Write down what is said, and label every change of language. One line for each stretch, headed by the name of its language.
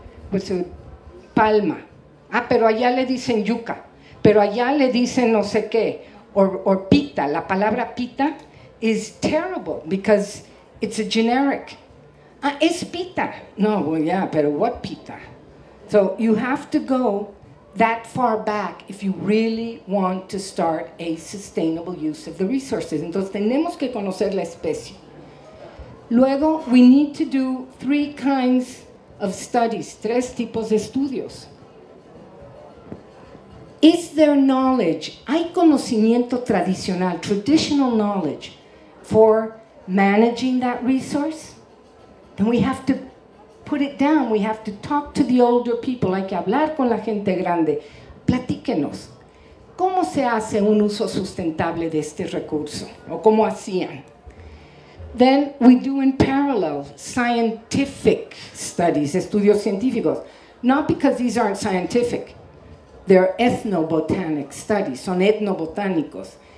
Spanish: pues palma, ah, pero allá le dicen yuca, pero allá le dicen no sé qué,
English: or pita,
Spanish: la palabra pita
English: is terrible because it's a generic. Ah,
Spanish: es pita.
English: No, well, yeah, pero what pita? So you have to go that far back if you really want to start a sustainable use of the resources.
Spanish: Entonces, tenemos que conocer la especie. Luego,
English: we need to do three kinds of studies,
Spanish: tres tipos de estudios.
English: Is there knowledge?
Spanish: ¿Hay conocimiento tradicional,
English: traditional knowledge, for managing that resource? Then we have to put it down. We have to talk to the older people.
Spanish: Hay que hablar con la gente grande. Platíquenos. ¿Cómo se hace un uso sustentable de este recurso? ¿O cómo hacían?
English: Then we do in parallel scientific studies,
Spanish: estudios científicos.
English: Not because these aren't scientific. They're ethnobotanic studies,
Spanish: son etnobotánicos.